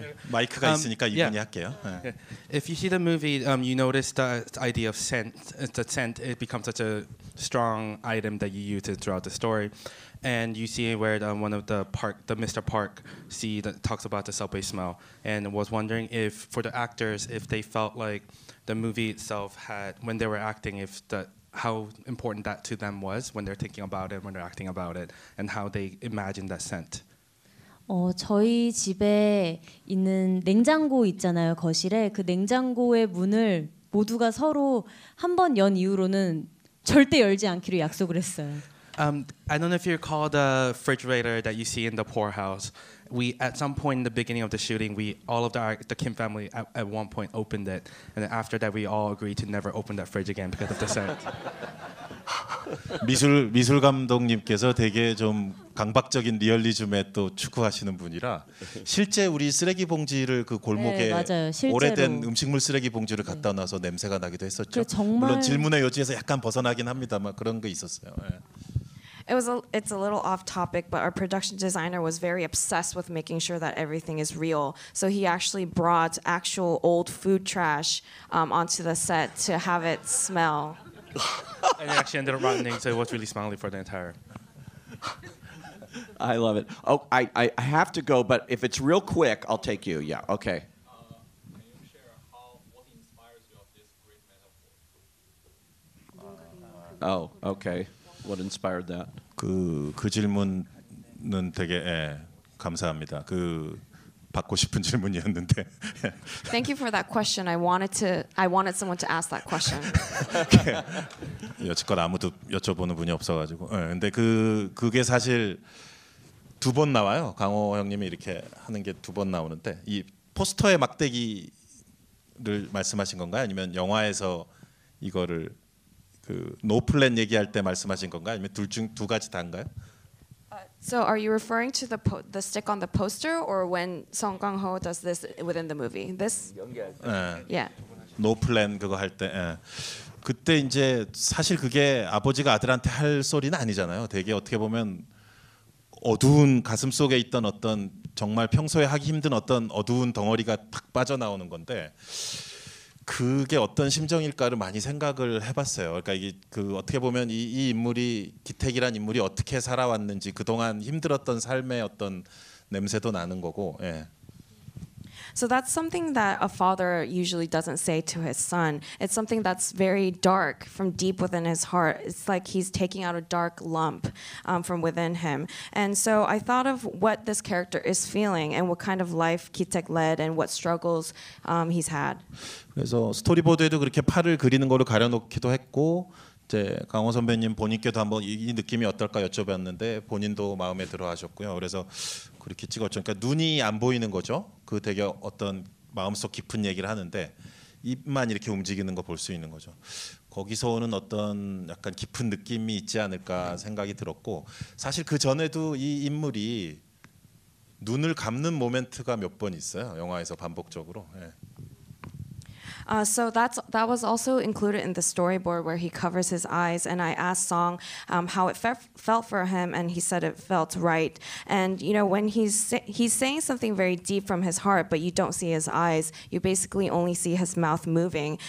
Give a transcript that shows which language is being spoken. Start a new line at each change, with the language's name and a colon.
Korean: 마이크가 있으니까 이분이 할게요.
English: If you see the movie, you notice the idea of scent. The scent, it becomes such a strong item that you use it throughout the story. And you see where the, one of the park, the Mr. Park, see that talks about the subway smell. And was wondering if for the actors, if they felt like the movie itself had, when they were acting, if the how important that to them was when they're thinking about it, when they're acting about it, and how they imagine that scent.
Korean: 저희 집에 있는 냉장고 있잖아요, 거실에. 그 냉장고의 문을 모두가 서로 한 번 연 이후로는 절대 열지 않기로 약속을 했어요.
English: I don't know if you recall the refrigerator that you see in the poor house. We, at some point in the beginning of the shooting, we, all of the Kim family at one point opened it. And then after that, we all agreed to never open that fridge again because of the scent.
Korean: 미술 감독님께서 되게 좀 강박적인 리얼리즘에 또 추구하시는 분이라 실제 우리 쓰레기 봉지를 그 골목에 네, 맞아요. 실제로. 오래된 음식물 쓰레기 봉지를 갖다 놔서 네. 냄새가 나기도 했었죠. 그 정말... 물론 질문의 여지에서 약간 벗어나긴 합니다만 그런 게 있었어요. 네.
English: It's a little off topic, but our production designer was very obsessed with making sure that everything is real. So he actually brought actual old food trash onto the set to have it smell. And it actually ended up rotting, so it was really smelly for the entire. I love it. Oh, I have to go, but if it's real quick, I'll take you. Yeah, okay. Can you share what inspires you of this great metaphor? Oh, okay. What inspired that?
Korean: 그 질문은 되게 예, 감사합니다. 그 받고 싶은 질문이었는데.
English: Thank you for that question. I wanted someone to ask that question.
Korean: 여태껏 아무도 여쭤보는 분이 없어가지고. 예, 근데 그게 사실 두 번 나와요. 강호 형님이 이렇게 하는 게 두 번 나오는데 이 포스터의 막대기를 말씀하신 건가요? 아니면 영화에서 이거를 그 노플랜 얘기할 때 말씀하신 건가요? 아니면 둘 중 두 가지 다인가요?
English: So are you referring to the stick on the poster or when Song Kang-ho does this within the movie? This?
Korean: 예. 노플랜 그거 할 때. 예. 그때 이제 사실 그게 아버지가 아들한테 할 소리는 아니잖아요. 되게 어떻게 보면 어두운 가슴 속에 있던 어떤 정말 평소에 하기 힘든 어떤 어두운 덩어리가 탁 빠져나오는 건데 그게 어떤 심정일까를 많이 생각을 해봤어요. 그러니까 이게 그 어떻게 보면 이 인물이 기택이란 인물이 어떻게 살아왔는지 그동안 힘들었던 삶의 어떤 냄새도 나는 거고. 예.
English: So that's something that a father usually doesn't say to his son. It's something that's very dark from deep within his heart. It's like he's taking out a dark lump from within him. And so I thought of what this character is feeling and what kind of life Ki-taek led and what struggles he's had.
Korean: 그래서 스토리보드에도 그렇게 팔을 그리는 걸로 가려놓기도 했고 이제 강호 선배님 본인께도 한번 이 느낌이 어떨까 여쭤봤는데 본인도 마음에 들어 하셨고요. 그래서 그렇게 찍었죠. 그러니까 눈이 안 보이는 거죠. 그 되게 어떤 마음속 깊은 얘기를 하는데 입만 이렇게 움직이는 거 볼 수 있는 거죠. 거기서 오는 어떤 약간 깊은 느낌이 있지 않을까 생각이 들었고 사실 그 전에도 이 인물이 눈을 감는 모멘트가 몇 번 있어요. 영화에서 반복적으로. 예.
English: So that was also included in the storyboard where he covers his eyes, and I asked Song how it felt for him, and he said it felt right. And you know, when he's saying something very deep from his heart, but you don't see his eyes; you basically only see his mouth moving.